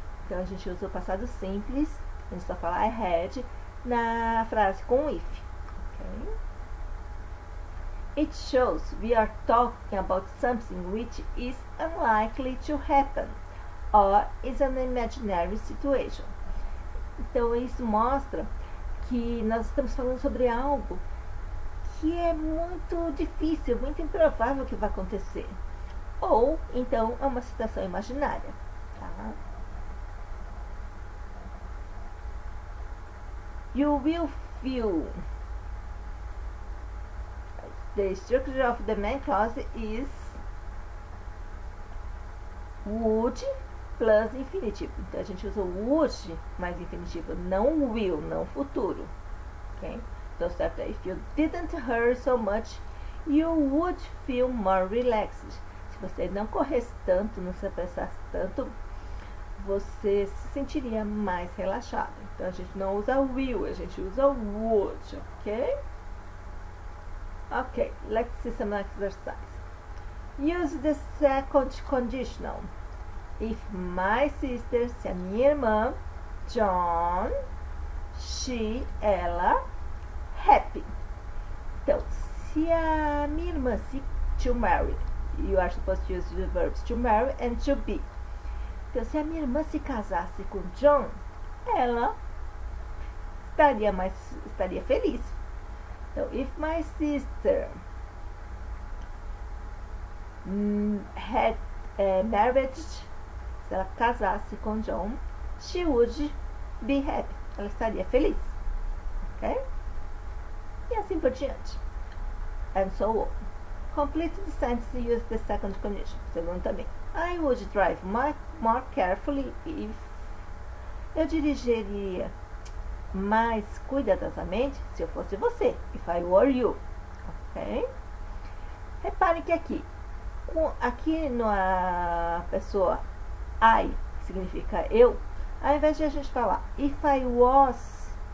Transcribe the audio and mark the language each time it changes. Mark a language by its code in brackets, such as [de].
[pt] Então, a gente usa o passado simples. A gente só fala I had na frase com if. [en] Okay? It shows we are talking about something which is unlikely to happen or is an imaginary situation. [pt] Então, isso mostra que nós estamos falando sobre algo que é muito difícil, muito improvável que vai acontecer. Ou então é uma situação imaginária, tá? [en] You will feel. The structure of the main clause is would plus infinitivo. [pt] Então a gente usa o would mais infinitivo, não will, não futuro. Ok? Então, certo, [en] if you didn't hurry so much, you would feel more relaxed. [pt] Se você não corresse tanto, não se apressasse tanto, você se sentiria mais relaxado. Então, a gente não usa will, a gente usa would, ok? [en] Ok, let's see some exercise. Use the second conditional. If my sister, [pt] se a minha irmã, John, she, ela. [en] Happy. [pt] Então, se a minha irmã se [en] to marry, you are supposed to use the verbs to marry and to be. [pt] Então, se a minha irmã se casasse com John, ela estaria feliz. Então, [en] if my sister had married, [pt] se ela casasse com John, [en] she would be happy. [pt] Ela estaria feliz. Ok? E assim por diante. [en] And so on. Complete the sentence and use the second condition. [pt] Segundo também. [en] I would drive more carefully if. [pt] Eu dirigiria mais cuidadosamente se eu fosse você. [en] If I were you. [pt] Ok? Repare que aqui na pessoa I, que significa eu, ao invés de a gente falar if I was.